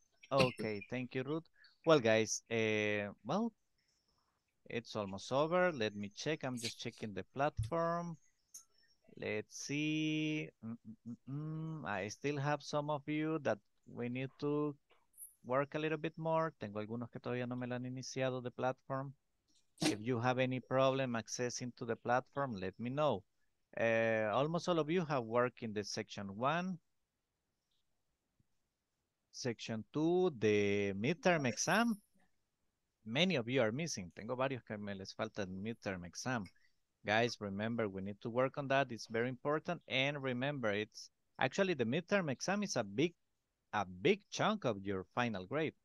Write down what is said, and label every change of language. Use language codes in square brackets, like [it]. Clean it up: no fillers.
[en] Okay, thank you, Ruth. Well, guys, it's almost over. Let me check. I'm just checking the platform. Let's see. I still have some of you that we need to work a little bit more. [es] Tengo algunos que todavía no me lo han iniciado de platform. [en] If you have any problem accessing to the platform, let me know. Almost all of you have worked in the section one. Section two, the midterm exam. Many of you are missing. [es] Tengo varios que me les falta el midterm exam. [en] Guys, remember, we need to work on that. It's very important. And remember, it's actually the midterm exam is a big chunk of your final grade.